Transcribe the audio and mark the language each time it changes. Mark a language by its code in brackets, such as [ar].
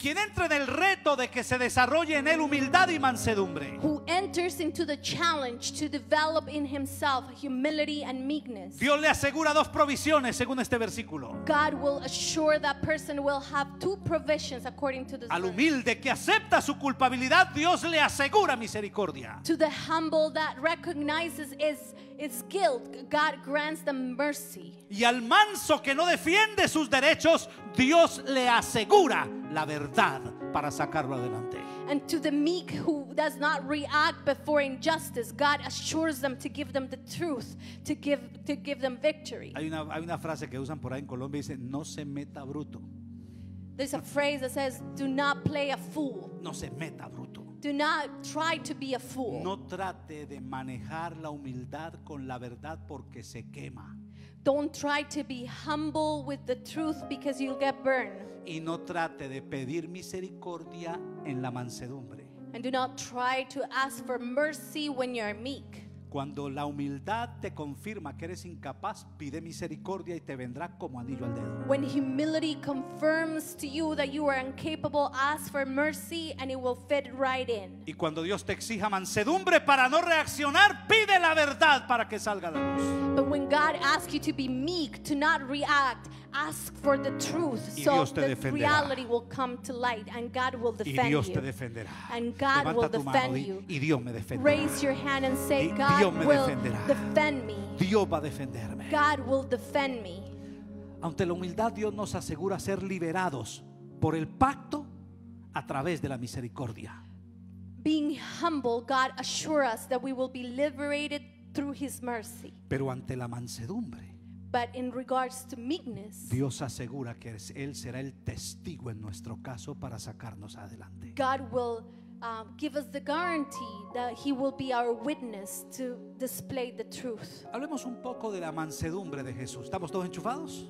[es] Quien entra en el reto de que se desarrolle en él humildad y mansedumbre. [en] Who enters into the challenge to develop in himself humility and meekness. [es] Dios le asegura dos provisiones según este versículo. [en] God will assure that person will have two provisions according to this. [es] Al humilde que acepta su culpabilidad, Dios le asegura misericordia. [en] To the humble that recognizes his guilt, God grants them mercy. [es] Y al manso que no defiende sus derechos, Dios le asegura la verdad para sacarlo adelante. [en] And to the meek who does not react before injustice, God assures them to give them the truth, to give them victory. [es] Hay una frase que usan por ahí en Colombia, dice, no se meta bruto. [en] There's a phrase that says, do not play a fool. [es] No se meta bruto. [en] Do not try to be a fool. [es] No trate de manejar la humildad con la verdad porque se quema. [en] Don't try to be humble with the truth because you'll get burned. [es] Y no trate de pedir misericordia en la mansedumbre. [en] And do not try to ask for mercy when you're meek. [es] Cuando la humildad te confirma que eres incapaz, pide misericordia y te vendrá como anillo al dedo. [en] When humility confirms to you that you are incapable, ask for mercy and it will fit right in. [es] Y cuando Dios te exija mansedumbre para no reaccionar, pide la verdad para que salga la luz. [en] But when God asks you to be meek, to not react, ask for the truth so the reality will come to light and God will defend you. [es] Y Dios te defenderá. [en] And God will defend you. [es] Y Dios me defenderá. [en] Raise your hand and say, God will defend me. [es] Dios va a defenderme. [en] God will defend me. [es] Ante la humildad, Dios nos asegura ser liberados por el pacto a través de la misericordia. [en] Being humble, God assures us that we will be liberated through his mercy. [es] Pero ante la mansedumbre, [en] but in regards to meekness, [es] Dios asegura que él será el testigo en nuestro caso para sacarnos adelante. [en] God will give us the guarantee that he will be our witness to display the truth. [es] Hablemos un poco de la mansedumbre de Jesús. ¿Estamos todos enchufados?